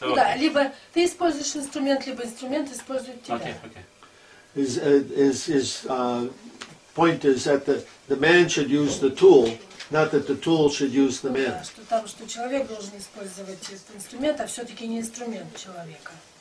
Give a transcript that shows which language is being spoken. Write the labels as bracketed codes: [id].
[ru] Да, либо ты используешь инструмент, либо инструмент использует тебя. [en] Okay. His point is that the man should use the tool, not that the tool should use the man. [ru] Что там, что человек должен использовать этот инструмент, а все-таки не инструмент человека.